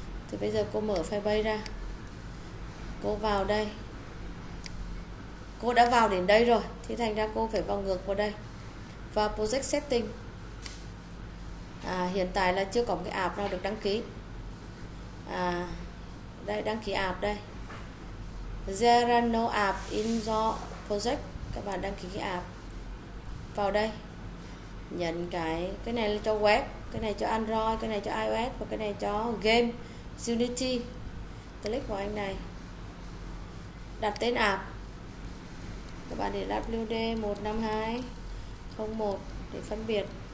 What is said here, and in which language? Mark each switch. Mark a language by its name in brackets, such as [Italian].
[Vietnamese] Thì bây giờ cô mở file bay ra. Cô vào đây. Cô đã vào đến đây rồi, thì thành ra cô phải vào ngược vào đây. Vào project setting. À, hiện tại là chưa có cái app nào được đăng ký. À, đây đăng ký app đây. [English] There are no app in your project. [Vietnamese] Các bạn đăng ký cái app. Vào đây. Nhận cái này là cho web, cái này cho Android, cái này cho iOS và cái này cho game Unity. Click vào anh này. Đặt tên app. Các bạn để WD15201 để phân biệt.